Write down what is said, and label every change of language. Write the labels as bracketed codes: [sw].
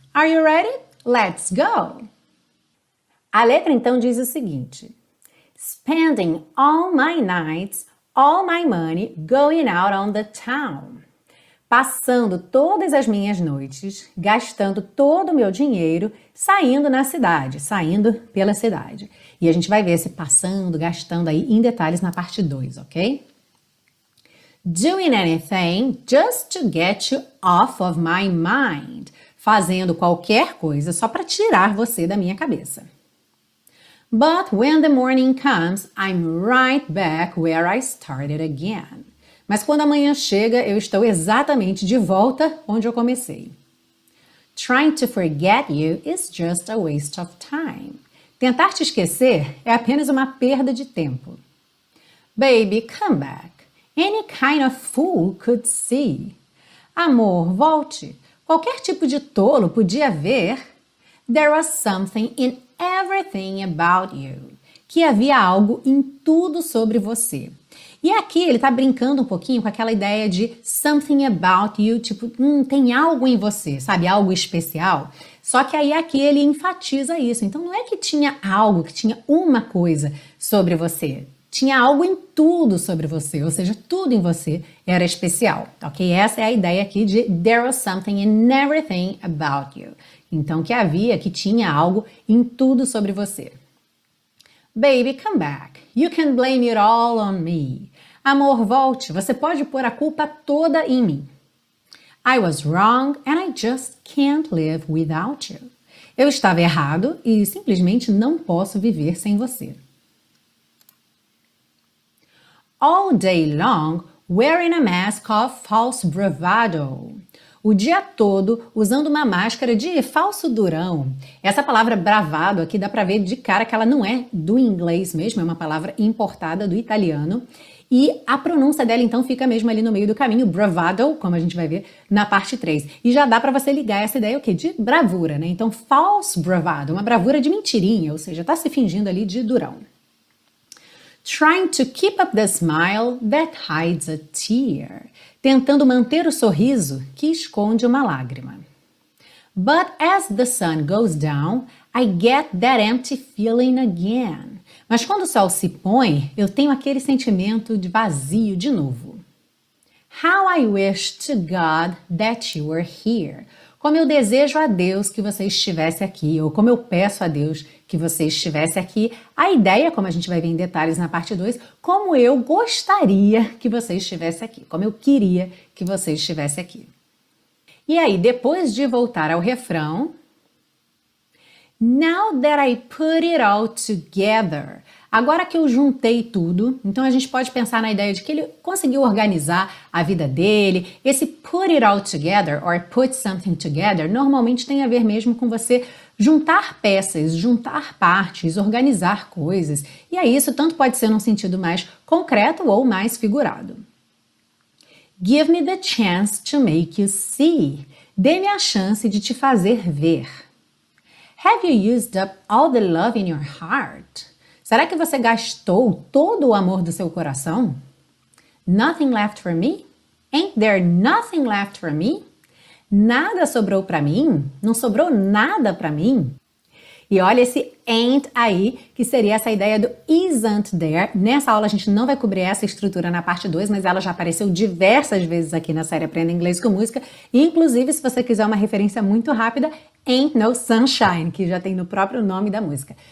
[en] Are you ready? Let's go! [pt] A letra então diz o seguinte: [en] Spending all my nights, all my money going out on the town. [pt] Passando todas as minhas noites, gastando todo o meu dinheiro, saindo na cidade, saindo pela cidade. E a gente vai ver esse passando, gastando aí em detalhes na parte 2, ok? [en] Doing anything just to get you off of my mind. [pt] Fazendo qualquer coisa só para tirar você da minha cabeça. [en] But when the morning comes, I'm right back where I started again. [pt] Mas quando a manhã chega, eu estou exatamente de volta onde eu comecei. [en] Trying to forget you is just a waste of time. [pt] Tentar te esquecer é apenas uma perda de tempo. [en] Baby, come back. Any kind of fool could see. [pt] Amor, volte. Qualquer tipo de tolo podia ver. [en] There was something in everything about you. [pt] Que havia algo em tudo sobre você. E aqui ele está brincando um pouquinho com aquela ideia de [en] something about you, [pt] tipo, tem algo em você, sabe? Algo especial. Só que aí aqui ele enfatiza isso. Então não é que tinha algo, que tinha uma coisa sobre você. Tinha algo em tudo sobre você, ou seja, tudo em você era especial, ok? Essa é a ideia aqui de [en] there was something in everything about you. [pt] Então que havia, que tinha algo em tudo sobre você. [en] Baby, come back. You can blame it all on me. [pt] Amor, volte. Você pode pôr a culpa toda em mim. [en] I was wrong and I just can't live without you. [pt] Eu estava errado e simplesmente não posso viver sem você. [en] All day long, wearing a mask of false bravado. [pt] O dia todo, usando uma máscara de falso durão. Essa palavra bravado aqui dá para ver de cara que ela não é do inglês mesmo, é uma palavra importada do italiano. E a pronúncia dela, então, fica mesmo ali no meio do caminho, bravado, como a gente vai ver na parte 3. E já dá para você ligar essa ideia, o quê? De bravura, né? Então, false bravado, uma bravura de mentirinha, ou seja, tá se fingindo ali de durão. [en] Trying to keep up the smile that hides a tear. [pt] Tentando manter o sorriso que esconde uma lágrima. [en] But as the sun goes down, I get that empty feeling again. [pt] Mas quando o sol se põe, eu tenho aquele sentimento de vazio de novo. [en] How I wish to God that you were here. [pt] Como eu desejo a Deus que você estivesse aqui, ou como eu peço a Deus que você estivesse aqui. A ideia, como a gente vai ver em detalhes na parte 2, como eu gostaria que você estivesse aqui, como eu queria que você estivesse aqui. E aí, depois de voltar ao refrão, [en] Now that I put it all together, [pt] Agora que eu juntei tudo, então a gente pode pensar na ideia de que ele conseguiu organizar a vida dele. Esse [en] put it all together, or put something together, [pt] normalmente tem a ver mesmo com você juntar peças, juntar partes, organizar coisas. E aí isso tanto pode ser num sentido mais concreto ou mais figurado. [en] Give me the chance to make you see. [pt] Dê-me a chance de te fazer ver. [en] Have you used up all the love in your heart? [pt] Será que você gastou todo o amor do seu coração? [en] Nothing left for me? Ain't there nothing left for me? [pt] Nada sobrou para mim? Não sobrou nada para mim? E olha esse ain't aí, que seria essa ideia do [en] isn't there. [pt] Nessa aula a gente não vai cobrir essa estrutura na parte 2, mas ela já apareceu diversas vezes aqui na série Aprenda Inglês com Música. Inclusive, se você quiser uma referência muito rápida, Ain't No Sunshine, que já tem no próprio nome da música.